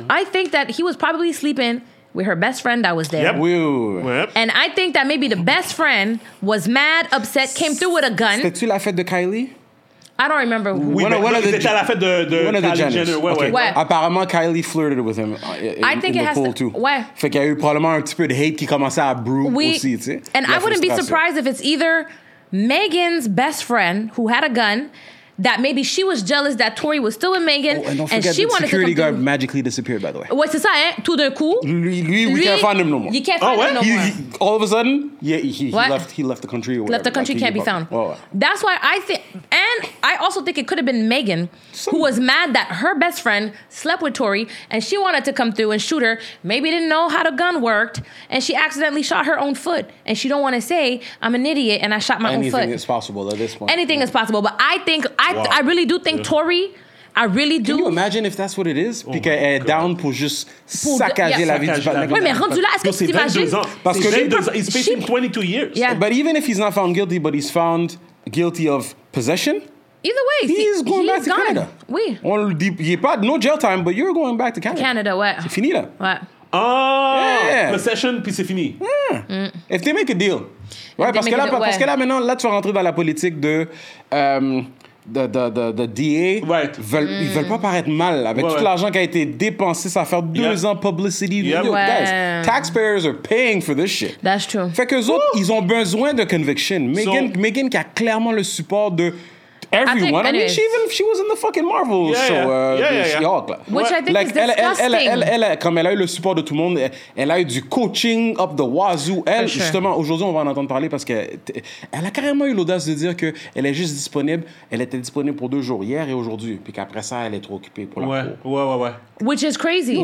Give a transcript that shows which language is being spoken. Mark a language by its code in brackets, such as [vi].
[en] I think that he was probably sleeping with her best friend that was there. Yep. And I think that maybe the best friend was mad, upset, came through with a gun. [fr] C'était-tu la fête de Kylie? [en] I don't remember. [fr] Oui, c'était à la fête de Kylie Jenner. Apparemment, [en] Kylie flirted with him in the pool, too. [fr] Ouais. Fait qu'il y a eu probablement un petit peu de hate qui commençait à brew aussi, tu sais. [en] And I wouldn't be surprised if it's either Megan's best friend who had a gun, that maybe she was jealous that Tory was still with Megan, and she wanted to come. Security guard magically disappeared, by the way. [fr] Ouais, c'est ça, hein? Tout d'un coup. Lui, [en] we can't find him no more. You can't find him no more. All of a sudden, he left the country. Left the country, can't be found. That's why I think, and I also think it could have been Megan, who was mad that her best friend slept with Tory, and she wanted to come through and shoot her. Maybe didn't know how the gun worked, and she accidentally shot her own foot, and she don't want to say, I'm an idiot, and I shot my own foot. Anything is possible at this point. Anything is possible, but I think, I really do think Tory, I really do. Can you imagine if that's what it is? [fr] Puis qu'elle est down pour juste saccager la vie du patron. Oui, mais rendu là, est-ce que tu t'imagines? Parce que [en] he's facing 22 years. Yeah. But even if he's not found guilty, but he's found guilty of possession, either way, he's going back to Canada. [fr] Oui. On le dit, il n'y a pas, [en] no jail time, but you're going back to Canada. [fr] Canada, ouais. C'est fini là. Ouais. [en] Oh, yeah. Possession, [fr] puis c'est fini. [en] Yeah. Mm. If they make a deal. [fr] Ouais, parce que là, maintenant, là, tu vas rentrer dans la politique de... [en] The DA, right. [fr] Ils veulent pas paraître mal avec tout l'argent qui a été dépensé. Ça fait deux ans [en] publicity video. Guys, taxpayers are paying for this shit. That's true. [fr] Fait qu'eux autres, ils ont besoin de conviction. Megan qui a clairement le support de [en] everyone. I mean, she was in the fucking Marvel show. Which I think is disgusting. [fr] Elle a eu le support de tout le monde. Elle a eu du coaching [en] up the wazoo. [fr] Elle, justement, aujourd'hui, on va en entendre parler parce qu'elle a carrément eu l'audace de dire qu'elle est juste disponible. Elle était disponible pour deux jours, hier et aujourd'hui. Puis qu'après ça, elle est trop occupée pour la cour. Ouais, ouais, ouais. [en] Which is crazy.